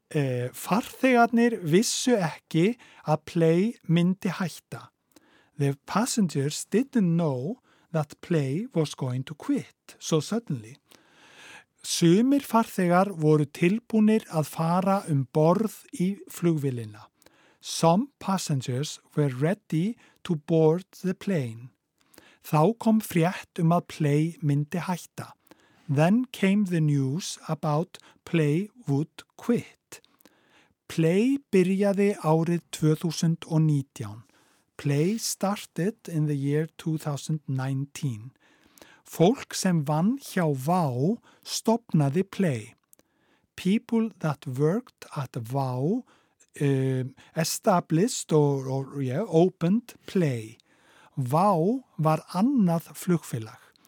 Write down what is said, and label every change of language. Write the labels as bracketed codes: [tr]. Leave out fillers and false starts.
[is] Farþegarnir vissu ekki að play myndi hætta. [en] The passengers didn't know that play was going to quit so suddenly. [is] Sumir farþegar voru tilbúnir að fara borð í flugvélina. [en] Some passengers were ready to board the plane. [is] Þá kom frétt að play myndi hætta. [en] Then came the news about play would quit. [is] Play byrjaði árið 2019. [en] Play started in the year 2019. [is] Fólk sem vann hjá WOW stopnaði Play. [en] People that worked at WOW established opened Play. [is] WOW var annað flugfélag.